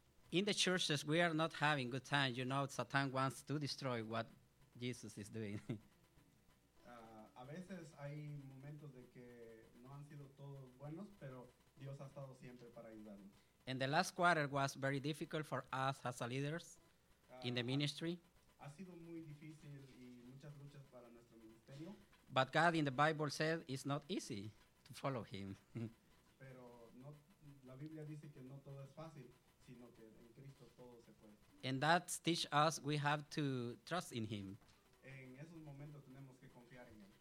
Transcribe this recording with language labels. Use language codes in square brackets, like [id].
[en] In the churches, we are not having good time. You know, Satan wants to destroy what Jesus is doing. [es] A veces hay momentos de que no han sido todos buenos, pero Dios ha estado siempre para ayudarnos. [en] And the last quarter was very difficult for us as leaders in the ministry. [es] Ha sido muy difícil y muchas luchas para nuestro ministerio. [en] But God in the Bible said it's not easy to follow him. [es] Pero no, la Biblia dice que no todo es fácil, sino que en Cristo todo se puede. [en] And that teach us we have to trust in him. [es] En esos momentos tenemos que confiar en él.